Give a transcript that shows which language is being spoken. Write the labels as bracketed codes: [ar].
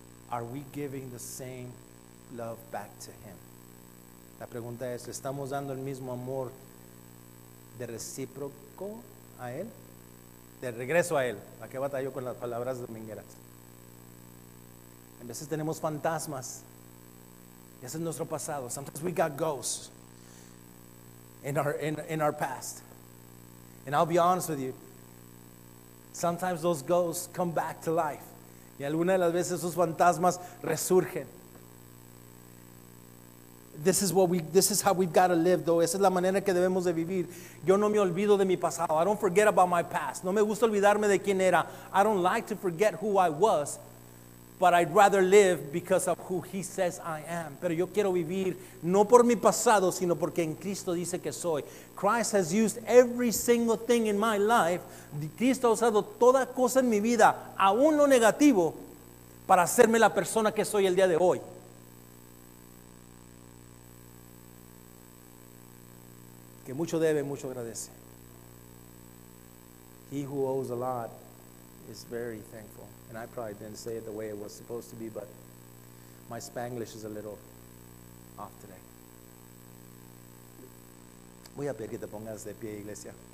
[en] Are we giving the same love back to him? [es] La pregunta es, ¿estamos dando el mismo amor de recíproco a él? De regreso a él. ¿A qué batallo con las palabras domingueras? En veces tenemos fantasmas. Ese es nuestro pasado. [en] Sometimes we got ghosts in our past. And I'll be honest with you. Sometimes those ghosts come back to life. [es] Y alguna de las veces esos fantasmas resurgen. [en] This is how we've got to live, though. [es] Esa es la manera que debemos de vivir. Yo no me olvido de mi pasado. [en] I don't forget about my past. [es] No me gusta olvidarme de quién era. [en] I don't like to forget who I was. But I'd rather live because of who he says I am. [es] Pero yo quiero vivir no por mi pasado, sino porque en Cristo dice que soy. [en] Christ has used every single thing in my life. [es] Cristo ha usado toda cosa en mi vida, aún lo negativo, para hacerme la persona que soy el día de hoy. Que mucho debe, mucho agradece. [en] He who owes a lot is very thankful. And I probably didn't say it the way it was supposed to be, but my Spanglish is a little off today. [es] Voy a pedir que te pongas de pie, iglesia.